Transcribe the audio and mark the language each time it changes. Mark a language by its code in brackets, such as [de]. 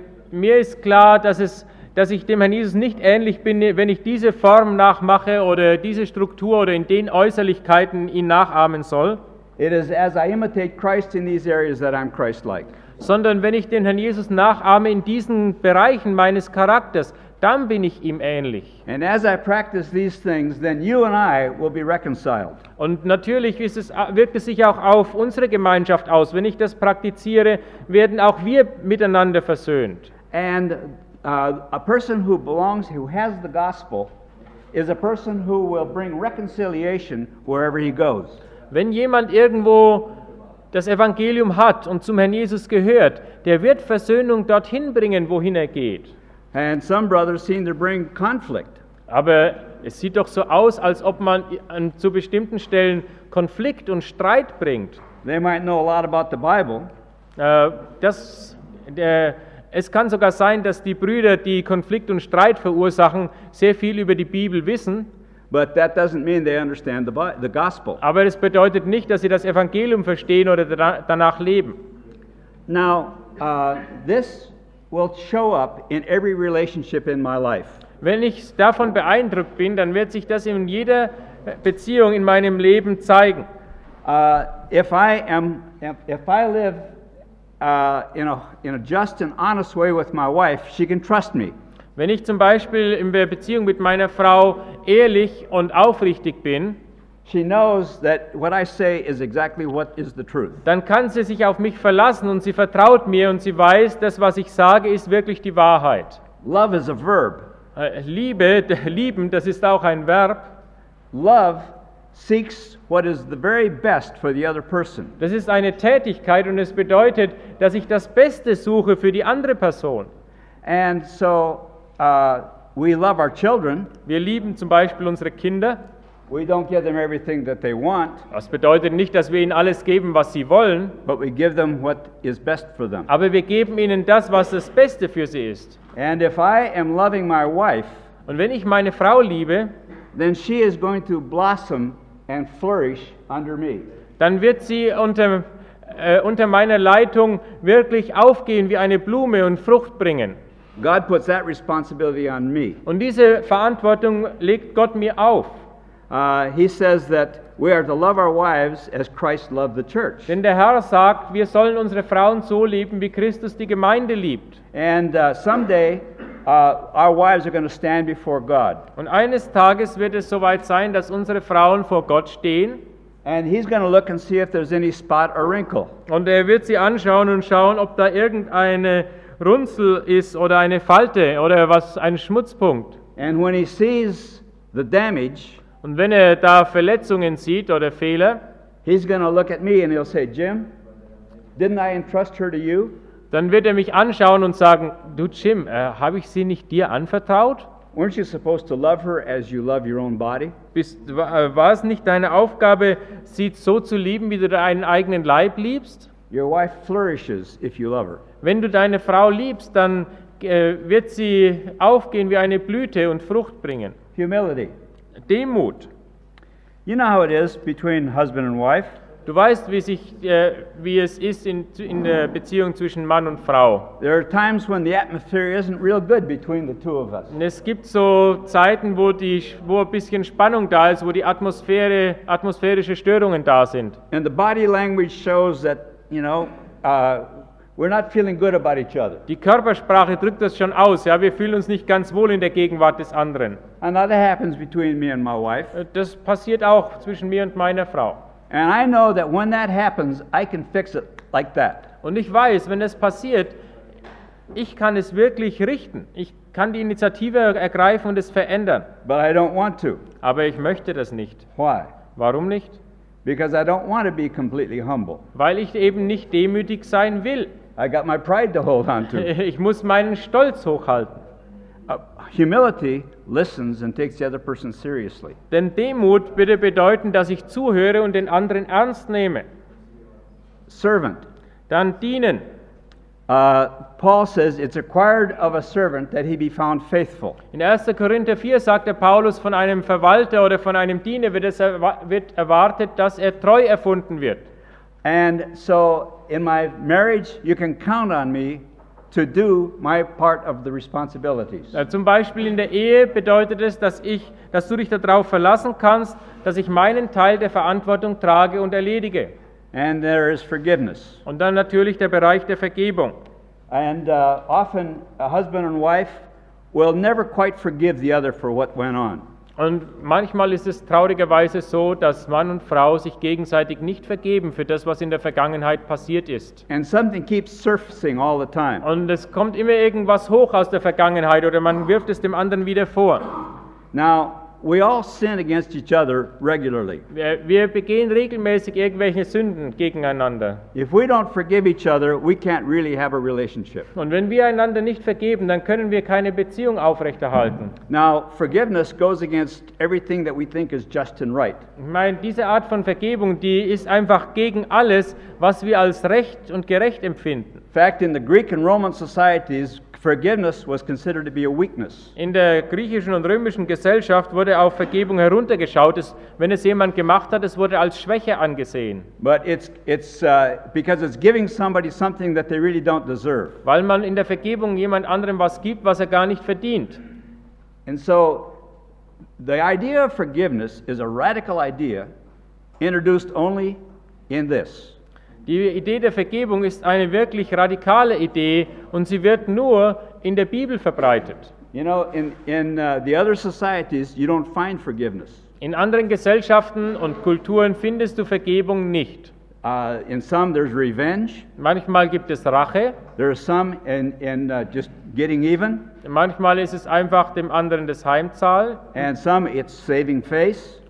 [de] Mir ist klar, dass ich dem Herrn Jesus nicht ähnlich bin, wenn ich diese Form nachmache oder diese Struktur oder in den Äußerlichkeiten ihn nachahmen soll. [en] It is as I imitate Christ in these areas that I am Christ-like. [de] sondern wenn ich den Herrn Jesus nachahme in diesen Bereichen meines Charakters, dann bin ich ihm ähnlich. [en] And as I practice these things, then you and I will be reconciled. [de] Und natürlich ist es, wirkt es sich auch auf unsere Gemeinschaft aus. Wenn ich das praktiziere, werden auch wir miteinander versöhnt. [en] And a person who belongs, who has the gospel, is a person who will bring reconciliation wherever he goes. [de] Wenn jemand irgendwo das Evangelium hat und zum Herrn Jesus gehört, der wird Versöhnung dorthin bringen, wohin er geht. [en] And some brothers seem to bring conflict. [de] Aber es sieht doch so aus, als ob man an zu bestimmten Stellen Konflikt und Streit bringt. [en] They might know a lot about the Bible. [de] Es kann sogar sein, dass die Brüder, die Konflikt und Streit verursachen, sehr viel über die Bibel wissen. [en] But that doesn't mean they understand the gospel. [de] Aber es bedeutet nicht, dass sie das Evangelium verstehen oder danach leben. [en] Now, this will show up in every relationship in my life. [de] Wenn ich davon beeindruckt bin, dann wird sich das in jeder Beziehung in meinem Leben zeigen. [en] If I live in a just and honest way with my wife, she can trust me. [de] Wenn ich zum Beispiel in der Beziehung mit meiner Frau ehrlich und aufrichtig bin, [en] she knows that what I say is exactly what is the truth. [de] Dann kann sie sich auf mich verlassen und sie vertraut mir und sie weiß, dass was ich sage, ist wirklich die Wahrheit. [en] Love is a verb. [de] Liebe, lieben, das ist auch ein Verb. [en] Love seeks what is the very best for the other person. [de] Das ist eine Tätigkeit und es bedeutet, dass ich das Beste suche für die andere Person. [en] And so we love our children. [de] Wir lieben zum Beispiel unsere Kinder. [en] We don't give them everything that they want. [de] Das bedeutet nicht, dass wir ihnen alles geben, was sie wollen. [en] But we give them what is best for them. [de] Aber wir geben ihnen das, was das Beste für sie ist. [en] And if I am loving my wife, [de] und wenn ich meine Frau liebe, [en] then she is going to blossom and flourish under me. [de] Dann wird sie unter meiner Leitung wirklich aufgehen wie eine Blume und Frucht bringen. [en] God puts that responsibility on me. [de] Und diese Verantwortung legt Gott mir auf. [en] He says that we are to love our wives as Christ loved the church. [de] Denn der Herr sagt, wir sollen unsere Frauen so lieben, wie Christus die Gemeinde liebt. [en] And someday our wives are going to stand before God. [de] Und eines Tages wird es soweit sein, dass unsere Frauen vor Gott stehen. [en] And he's going to look and see if there's any spot or wrinkle. [de] Und er wird sie anschauen und schauen, ob da irgendeine Runzel ist oder eine Falte oder was, ein Schmutzpunkt. [en] And when he sees the damage, [de] und wenn er da Verletzungen sieht oder Fehler, [en] he's going to look at me and he'll say, Jim, didn't I entrust her to you? [de] Dann wird er mich anschauen und sagen, du Jim, habe ich sie nicht dir anvertraut? [en] Weren't you supposed to love her as you love your own body? [de] War es nicht deine Aufgabe, sie so zu lieben, wie du deinen eigenen Leib liebst? [en] Your wife flourishes if you love her. [de] Wenn du deine Frau liebst, dann wird sie aufgehen wie eine Blüte und Frucht bringen. [en] Humility. [de] Demut. [en] You know how it is between husband and wife. [de] Du weißt, wie es ist in der Beziehung zwischen Mann und Frau. [en] There are times when the atmosphere isn't real good between the two of us. [de] Und es gibt so Zeiten, wo ein bisschen Spannung da ist, wo die atmosphärische Störungen da sind. [en] And the body language shows that, you know, we're not feeling good about each other. [de] Die Körpersprache drückt das schon aus. Ja, wir fühlen uns nicht ganz wohl in der Gegenwart des anderen. [en] Another happens between me and my wife. [de] Das passiert auch zwischen mir und meiner Frau. [en] And I know that when that happens, I can fix it like that. [de] Und ich weiß, wenn es passiert, ich kann es wirklich richten. Ich kann die Initiative ergreifen und es verändern. [en] But I don't want to. [de] Aber ich möchte das nicht. [en] Why? [de] Warum nicht? [en] Because I don't want to be completely humble. [de] Weil ich eben nicht demütig sein will. [en] I got my pride to hold on to. [de] Ich muss meinen Stolz hochhalten. [en] Humility listens and takes the other person seriously. [de] Denn Demut würde bedeuten, dass ich zuhöre und den anderen ernst nehme. [en] Servant. [de] Dann dienen. [en] Paul says it's required of a servant that he be found faithful. [de] In 1. Korinther 4 sagt der Paulus, von einem Verwalter oder von einem Diener wird erwartet, dass er treu erfunden wird. [en] And so in my marriage you can count on me to do my part of the responsibilities. [de] Zum Beispiel in der Ehe bedeutet es, dass du dich darauf verlassen kannst, dass ich meinen Teil der Verantwortung trage und erledige. [en] And there is forgiveness. [de] Und dann natürlich der Bereich der Vergebung. [en] And often a husband and wife will never quite forgive the other for what went on. [de] Und manchmal ist es traurigerweise so, dass Mann und Frau sich gegenseitig nicht vergeben für das, was in der Vergangenheit passiert ist. [en] And something keeps surfacing all the time. [de] Und es kommt immer irgendwas hoch aus der Vergangenheit oder man wirft es dem anderen wieder vor. [en] Now, we all sin against each other regularly. [de] Wir begehen regelmäßig irgendwelche Sünden gegeneinander. [en] If we don't forgive each other, we can't really have a relationship. [de] Und wenn wir einander nicht vergeben, dann können wir keine Beziehung aufrechterhalten. [en] Now, forgiveness goes against everything that we think is just and right. [de] Ich meine, diese Art von Vergebung, die ist einfach gegen alles, was wir als recht und gerecht empfinden. [en] In fact, in the Greek and Roman societies, forgiveness was considered to be a weakness. [de] In der griechischen und römischen Gesellschaft wurde auf Vergebung heruntergeschaut, wenn es jemand gemacht hat, es wurde als Schwäche angesehen. [en] But it's because it's giving somebody something that they really don't deserve. [de] Weil man in der Vergebung jemand anderem was gibt, was er gar nicht verdient. [en] And so the idea of forgiveness is a radical idea introduced only in this. [de] Die Idee der Vergebung ist eine wirklich radikale Idee und sie wird nur in der Bibel verbreitet. [en] You know, in the other societies you don't find forgiveness. [de] In anderen Gesellschaften und Kulturen findest du Vergebung nicht. [en] In some there's revenge. [de] Manchmal gibt es Rache. [en] There are some in just getting even. [de] Manchmal ist es einfach dem anderen das Heimzahl. [en] And some it's saving face.